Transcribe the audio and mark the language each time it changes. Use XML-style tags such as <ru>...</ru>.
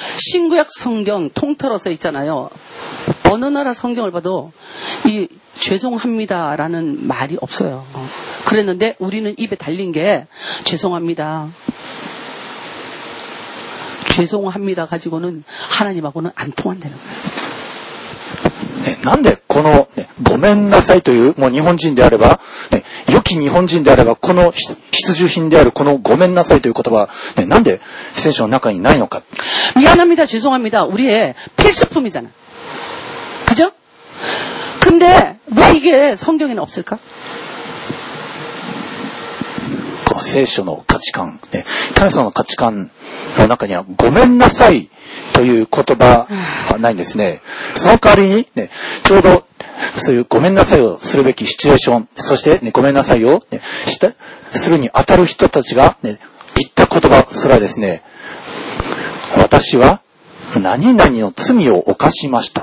<ko>新旧約성경통틀어서있잖아요어느나라성경을봐도이죄송합니다라는말이없어요그랬는데우리는입에달린게죄송합니다죄송합니다가지고는하나님하고는안통한다는거예요</ko> <ja>네なんでこの、ね、ごめんなさいという、もう日本人であれば、ね、良き日本人であれば、この必需品であるこのごめんなさいという言葉は、ね、なんで聖書の中にないのか。</ja> <ko>미안합니다、죄송합니다。 우리의필수품이잖아。 그죠근데、왜이게성경에는없을까</ko> <ja>聖書の価値観、ね、神様の価値観の中にはごめんなさいという言葉はないんですね。その代わりに、ね、ちょうどそういうごめんなさいをするべきシチュエーション、そして、ね、ごめんなさいを、ね、したするに当たる人たちが、ね、言った言葉すらですね、私は何々の罪を犯しました。</ja>